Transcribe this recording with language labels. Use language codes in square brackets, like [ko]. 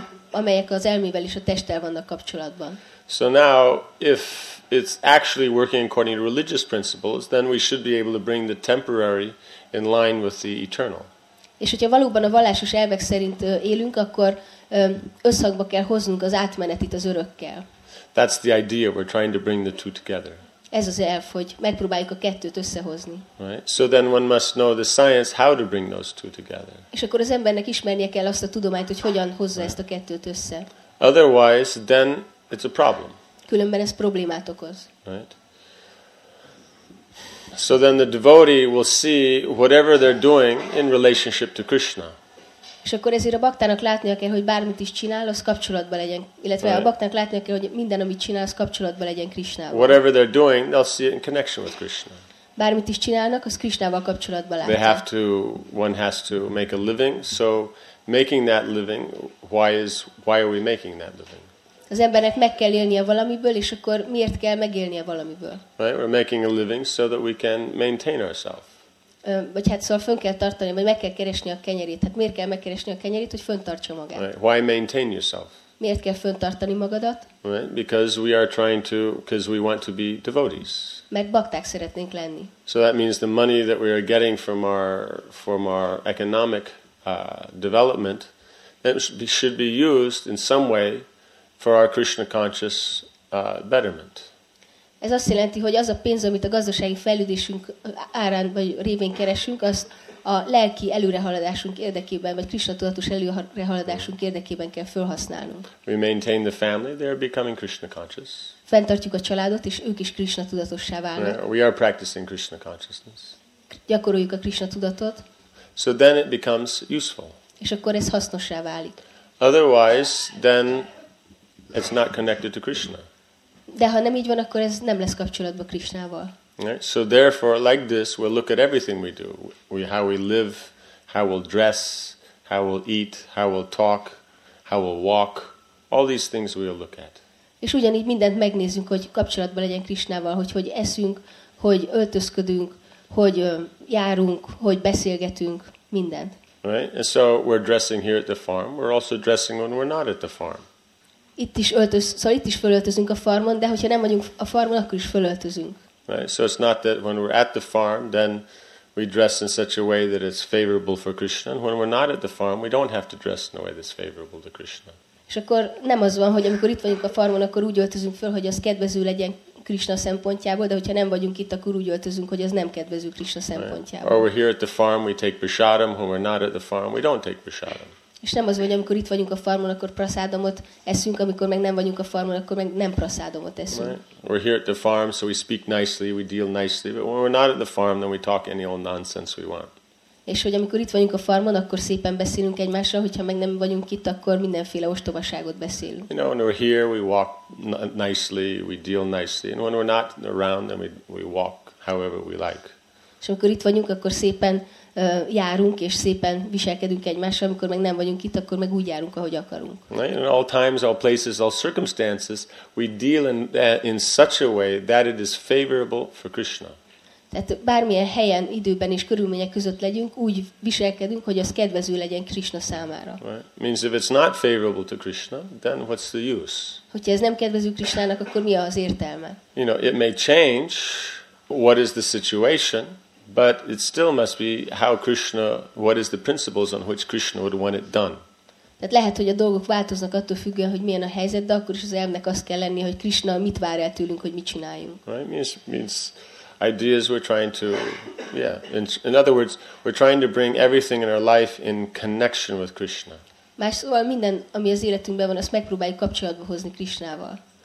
[hu] Amelyek az elmével és a testtel vannak kapcsolatban. [en] So now if it's actually working according to religious principles, then we should be able to bring the temporary in line with the eternal. [hu] És hogyha valóban a vallásos elvek szerint élünk, akkor összhangba kell hoznunk az átmenetit az örökkel. [en] That's the idea, we're trying to bring the two together. [hu] Ez az elv, hogy megpróbáljuk a kettőt összehozni. [en] Right? So then one must know the science how to bring those two together. [hu] És akkor az embernek ismernie kell azt a tudományt, hogy hogyan hozza ezt a kettőt össze. [en] Otherwise, then it's a problem. [hu] Különben ez problémát okoz. [en] Right? So then the devotee will see whatever they're doing in relationship to Krishna. [hu] És akkor ezért a baktának látnia kell, hogy bármit is csinál, az kapcsolatban legyen, illetve [en] right. [hu] A baktának látnia kell, hogy minden, amit csinál, az kapcsolatban legyen Krishnával. [en] Whatever they're doing, they'll see it in connection with Krishna. [hu] Bármit is csinálnak, az Krishnával kapcsolatban látja. [en] They have to, one has to make a living, so making that living, why are we making that living? [hu] Az embernek meg kell élnie valamiből, és akkor miért kell megélnie valamiből? [en] Right, we're making a living so that we can maintain ourselves. [hu] Vagy hát szóval fönn kell tartani, vagy meg kell keresni a kenyerét. Hát miért kell megkeresni a kenyerét, hogy fönntartsa magát? [en] Right. Why maintain yourself? [hu] Miért kell fönntartani magadat? [en] Right. Because we want to be devotees. [hu] Mert bakták szeretnénk lenni. [en] So that means the money that we are getting from our economic development that should be used in some way for our Krishna conscious betterment. [hu] Ez azt jelenti, hogy az a pénz, amit a gazdasági fejlődésünk árán vagy révén keresünk, az a lelki előrehaladásunk érdekében, vagy Krisna tudatos előrehaladásunk érdekében kell felhasználnunk. [en] We maintain the family, they are becoming Krishna conscious. [hu] Fenntartjuk a családot, és ők is Krisna tudatossá válnak. [en] We are practicing Krishna consciousness. [hu] Gyakoroljuk a Krisna tudatot. [en] So then it becomes useful. [hu] És akkor ez hasznossá válik. [en] Otherwise, then it's not connected to Krishna. [hu] De ha nem így van, akkor ez nem lesz kapcsolatban Krishnával. [en] Right? So therefore, like this, we'll look at everything we do. How we live, how we'll dress, how we'll eat, how we'll talk, how we'll walk. All these things we'll look at. [hu] És ugyanígy mindent megnézzünk, hogy kapcsolatban legyen Krishnával, hogy eszünk, hogy öltözködünk, hogy járunk, hogy beszélgetünk, mindent. [en] Right? And so we're dressing here at the farm. We're also dressing when we're not at the farm. [hu] Itt is fölöltözünk a farmon, de hogyha nem vagyunk a farmon, akkor is fölöltözünk. [en] Right, so it's not that when we're at the farm, then we dress in such a way that it's favorable for Krishna. And when we're not at the farm, we don't have to dress in a way that's favorable to Krishna. [hu] És akkor nem az van, hogy amikor itt vagyunk a farmon, akkor úgy öltözünk föl, hogy az kedvező legyen Krishna szempontjából, de hogyha nem vagyunk itt, akkor úgy öltözünk, hogy az nem kedvező Krishna szempontjából. [en] Right. Or we're here at the farm, we take prasadam. When we're not at the farm, we don't take prasadam. [hu] És nem az, hogy amikor itt vagyunk a farmon, akkor prasádomot eszünk, amikor meg nem vagyunk a farmon, akkor meg nem prasádomot eszünk. [en] Right. We're here at the farm, so we speak nicely, we deal nicely, but when we're not at the farm, then we talk any old nonsense we want. [hu] És hogy amikor itt vagyunk a farmon, akkor szépen beszélünk egymásra, hogyha meg nem vagyunk itt, akkor mindenféle ostobaságot beszélünk. [en] You know, when we're here, we walk nicely, we deal nicely, and when we're not around, then we walk however we like. [hu] És amikor itt vagyunk, akkor szépen járunk és szépen viselkedünk egymással, amikor meg nem vagyunk itt, akkor meg úgy járunk, ahogy akarunk. [en] In all times, all places, all circumstances, we deal in such a way that it is favorable for Krishna. [hu] Tehát bármilyen helyen, időben és körülmények között legyünk, úgy viselkedünk, hogy az kedvező legyen Krishna számára. [en] Right. Means if it's not favorable to Krishna, then what's the use? [hu] Hogyha ez nem kedvező Krishnának, akkor mi az értelme? [en] You know, it may change. What is the situation? But it still must be how Krishna, what is the principles on which Krishna would want it done. [hu] Tehát lehet, hogy a dolgok változnak attól függően, hogy milyen a helyzet, de akkor is az elvnek azt kell lenni, hogy Krishna mit vár el tőlünk, hogy mit csináljunk. [en] Right, means ideas we're trying to, yeah. In other words, we're trying to bring everything in our life in connection with Krishna. [hu] Más szóval minden, ami az életünkben van, azt megpróbáljuk kapcsolatba hozni Krishnával.